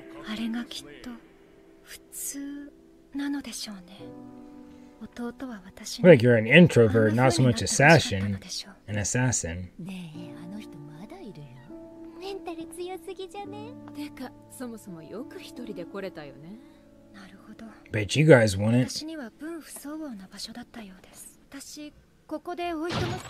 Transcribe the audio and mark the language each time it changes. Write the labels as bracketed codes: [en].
[ja] あれがきっと普通なのでしょうね。弟は私の。 [en] Like you're an introvert, not so much assassin. An assassin. [ja] ねえ、あの人まだいるよ。メンタル強すぎじゃね。てか、そもそもよく一人で来れたよね。なるほど。 [en] Bet you guys won it. [ja] 私には分不相応な場所だったようです。私。ここでおいと